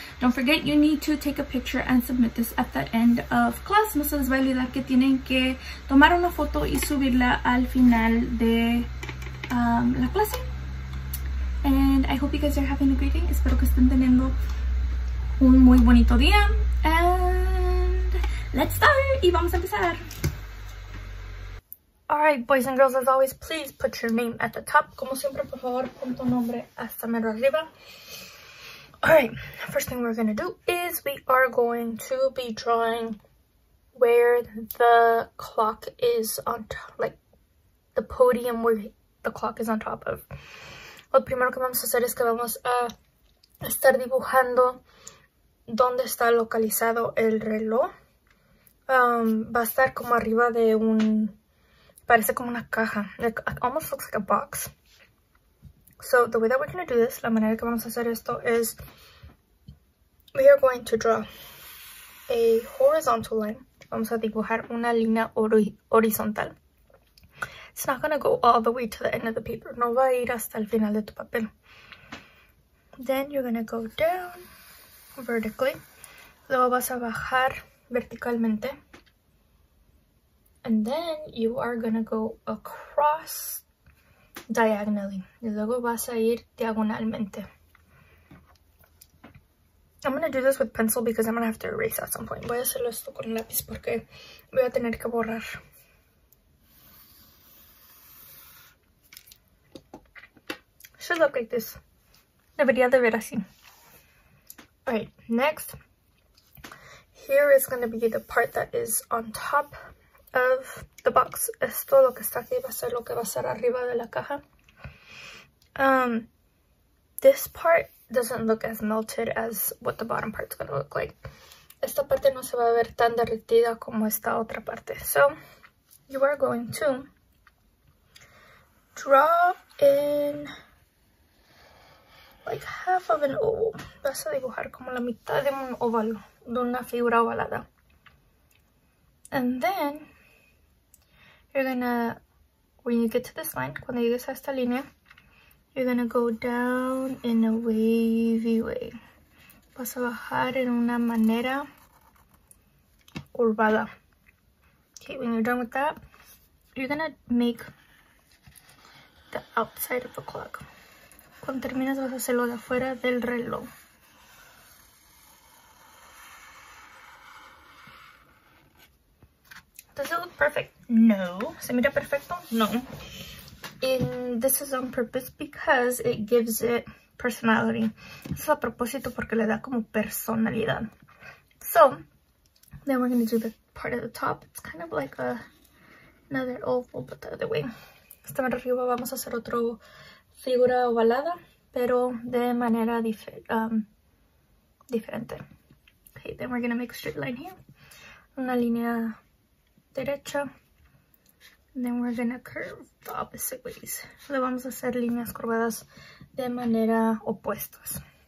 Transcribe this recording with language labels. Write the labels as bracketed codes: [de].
[en] Don't forget, you need to take a picture and submit this at the end of class. [es] No se les va a olvidar que tienen que tomar una foto y subirla al final de la clase. [en] And I hope you guys are having a great day. [es] Espero que estén teniendo un muy bonito día. [en] And let's start. [es] Y vamos a empezar. [en] Alright, boys and girls, as always, please put your name at the top. [es] Como siempre, por favor, pon tu nombre hasta mero arriba. [en] Alright, first thing we're going to do is we are going to be drawing where the clock is on top, like the podium where the clock is on top of. [es] Lo primero que vamos a hacer es que vamos a estar dibujando dónde está localizado el reloj. Va a estar como arriba de un... Parece como una caja. [en] It almost looks like a box. So the way that we're going to do this, [es] la manera que vamos a hacer esto es, [en] we are going to draw a horizontal line. [es] Vamos a dibujar una línea horizontal. [en] It's not going to go all the way to the end of the paper. [es] No va a ir hasta el final de tu papel. [en] Then you're going to go down vertically. [es] Luego vas a bajar verticalmente. [en] And then you are going to go across diagonally. [es] Y luego vas a ir diagonalmente. [en] I'm going to do this with pencil because I'm going to have to erase at some point. [es] Voy a hacerlo esto con lápiz porque voy a tener que borrar. [en] Should look like this. [es] Debería de ver así. [en] Alright, next. Here is going to be the part that is on top of the box. [es] Esto lo que está aquí va a ser lo que va a ser arriba de la caja. [en] This part doesn't look as melted as what the bottom part's gonna look like. [es] Esta parte no se va a ver tan derretida como esta otra parte. [en] So you are going to draw in like half of an oval. [es] Vas a dibujar como la mitad de un óvalo, de una figura ovalada. [en] And then you're gonna, when you get to this line, [es] cuando llegues a esta línea, [en] you're gonna go down in a wavy way. [es] Vas a bajar en una manera curvada. [en] Okay, when you're done with that, You're gonna make the outside of the clock. [es] Cuando termines vas a hacer lo de afuera del reloj. [en] Does it look perfect? No. [es] ¿Se mira perfecto? No. [en] And this is on purpose because it gives it personality. [es] Es a propósito porque le da como personalidad. [en] So, then we're going to do the part at the top. It's kind of like a another oval, but the other way. [es] Esta mano arriba vamos a hacer otra figura ovalada, pero de manera diferente. [en] Okay, then we're going to make a straight line here. [es] Una línea derecha. [en] And then we're going to curve the opposite ways. [es] Le vamos a hacer líneas curvadas de manera opuestas.